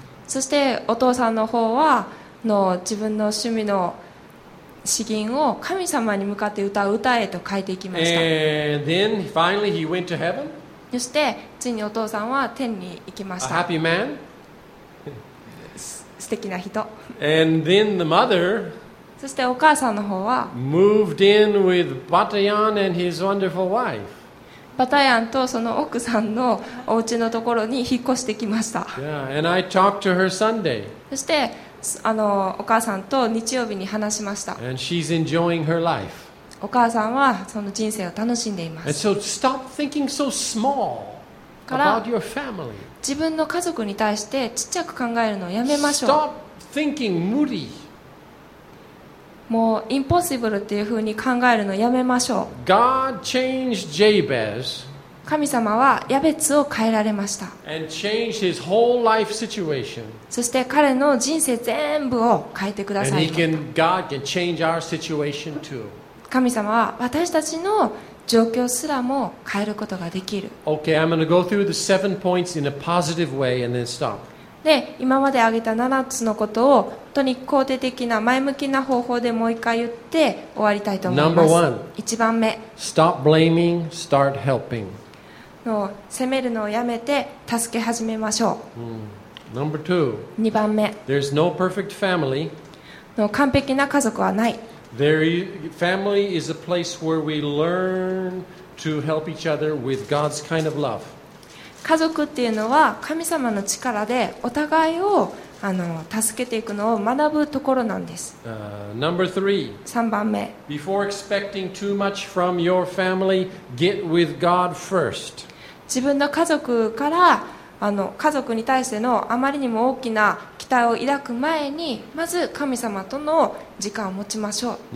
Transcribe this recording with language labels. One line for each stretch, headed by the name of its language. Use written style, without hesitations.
Japanese: そしてお父さんの方はの自分の趣味の詩吟を神様に向かって歌う歌へと書いていきました。
English: And then finally he went to heaven.
Japanese: そしてついにお父さんは天に行きました。
English: A happy man.
Japanese: 素敵な人。
English: And then the mother.
Japanese: そしてお母さんの方は
English: moved in with Bhatayan and his wonderful wife.
Japanese: バタヤンとその奥さんのお家のところに引っ越してきました。
English: Yeah, and I talked to her Sunday.
Japanese: そしてあのお母さんと日曜日に話しました。
English: And she's enjoying her life.
Japanese: お母さんはその人生を楽しんでいます。
English: And so stop thinking so small about your family.
Japanese: 自分の家族に対してちっちゃく考えるのをやめましょう。
English: Stop thinking 無理。
Japanese: もうインポッシブルっていう風に考えるのやめましょう。
English: God changed Jabez.
Japanese: 神様はヤベツを変えられました。
English: And changed his whole life situation.
Japanese: そして彼の人生全部を変えてくださいました。
English: And God can change our situation too.
Japanese: 神様は私たちの状況すらも変えることができる。
English: Okay, I'm going to go through the seven points in a positive way and then stop.
Japanese: で今まで挙げた7つのことを本当に肯定的な前向きな方法でもう一回言って終わりたいと思います。 1 番目
English: Stop blaming, start helping.
Japanese: 責めるのをやめて助け始めましょう。 2 番目
English: There's no perfect family.
Japanese: 完璧な家族はない。
English: Family is a place where we learn to help each other with God's kind of love.
Japanese: 家族っていうのは神様の力でお互いをあの助けていくのを学ぶところなんです。 3 番目。
English: Before expecting too much from your family, get with God first.
Japanese: 自分の家族からあの家族に対してのあまりにも大きな期待を抱く前に、まず神様との時間を持ちましょう。